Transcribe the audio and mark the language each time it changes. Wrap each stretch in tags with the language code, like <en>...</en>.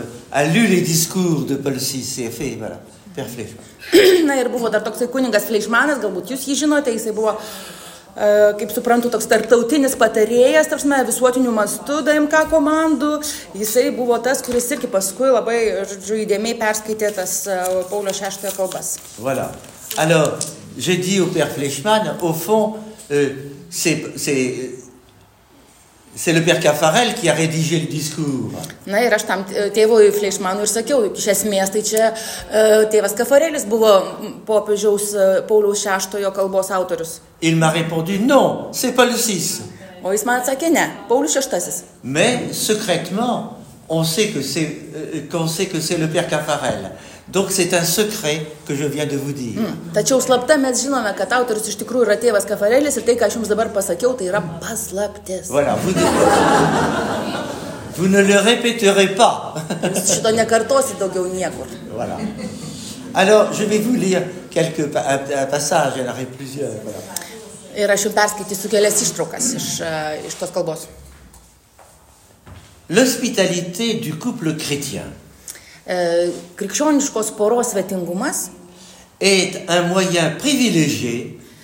<fr>A lu les discours de Paul VI, c'est fait, voilà, père Fleischmann.</fr> <lt>Na, ir buvo dar toksai kuningas Fleischmanas, galbūt jūs jį žinote, jisai buvo, kaip suprantu, toks tarptautinis patarėjas, tarsime, visuotinių mastų DMK komandų, jisai buvo tas, kuris irgi paskui labai, žodžiu, įdėmiai perskaitė tas Paulio VI kalbas.</lt> <fr>Voilà. Alors, j'ai dit au père Fleischmann, au fond, c'est le père Caffarel qui a rédigé le discours.</fr> <lt>Na, ir aš tam tėvui Fleischmanui ir sakiau, iš esmės, tai čia tėvas Caffarelis buvo popiežiaus Pauliaus VI kalbos autorius.</lt> <fr>Il m'a répondu, non, c'est Paul VI.</fr> <lt>O jis man atsakė, ne, Paulius VI.</lt> <fr>Mais secrètement, on sait que c'est le père Caffarel. Donc c'est un secret que je viens de vous dire.</fr> <lt>Tačiau slapta mes žinome, kad autorius iš tikrųjų yra tėvas Caffarelis ir tai, ką aš jums dabar pasakiau, tai yra paslaptis.</lt> <fr>Voilà, vous ne le répéterez pas.</fr> <lt>Šito nekartosit daugiau niekur.</lt> <fr>Voilà. Alors, je vais vous lire quelques passages, il y en aurait plusieurs. Voilà.</fr> <lt>Ir aš jums perskaitysiu kelias ištraukas iš tos kalbos.</lt> <fr>L'hospitalité du couple chrétien.</fr> <lt>Krikščioniškos poros svetingumas</lt> <fr>est un moyen privilégié</fr>